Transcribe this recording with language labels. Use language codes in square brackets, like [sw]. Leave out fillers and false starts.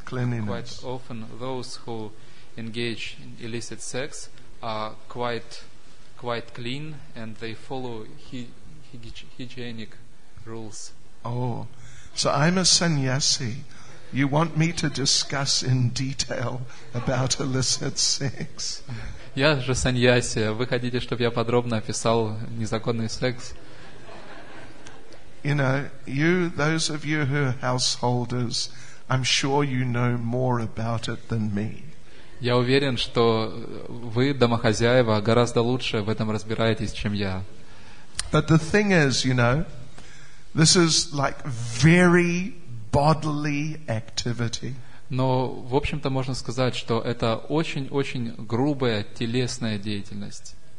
[en] Quite often those who engage in illicit sex are quite clean and they follow hygienic rules. Oh, so I'm a sannyasi. You want me to discuss in detail about illicit sex? [ru] Я же сан-яси. Вы хотите, чтобы я подробно описал незаконный секс? [en] You know, you, those of you who are householders, I'm sure you know more about it than me. [ru] Я уверен, что вы, домохозяева, гораздо лучше в этом разбираетесь, чем я. [en] But the thing is, you know, this is like very bodily activity. [ru] Но, в общем-то, можно сказать, что это очень-очень грубая телесная деятельность.